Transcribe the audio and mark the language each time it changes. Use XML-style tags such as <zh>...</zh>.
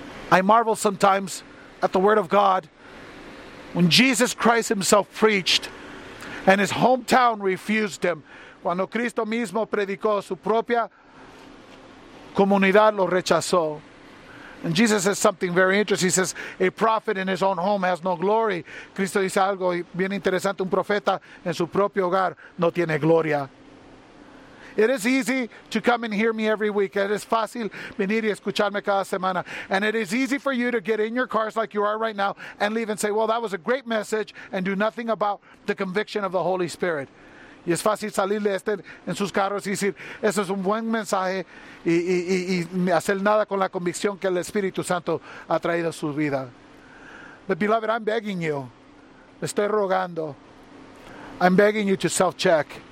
<en>I marvel sometimes at the word of God. When Jesus Christ himself preached, and his hometown refused him.</en> <es>Cuando Cristo mismo predicó, su propia comunidad lo rechazó.</es> <en>And Jesus says something very interesting. He says, a prophet in his own home has no glory.</en> <es>Cristo dice algo bien interesante. Un profeta en su propio hogar no tiene gloria.</es> <en>It is easy to come and hear me every week. It is</en> <es>fácil venir y escucharme cada semana.</es> <en>And it is easy for you to get in your cars like you are right now and leave and say, well, that was a great message, and do nothing about the conviction of the Holy Spirit.</en> <es>Y es fácil salirle este en sus carros y decir, eso es un buen mensaje, y hacer nada con la convicción que el Espíritu Santo ha traído a su vida.</es> <en>But beloved, I'm begging you.</en> <es>Estoy rogando.</es> <en>I'm begging you to self-check.</en>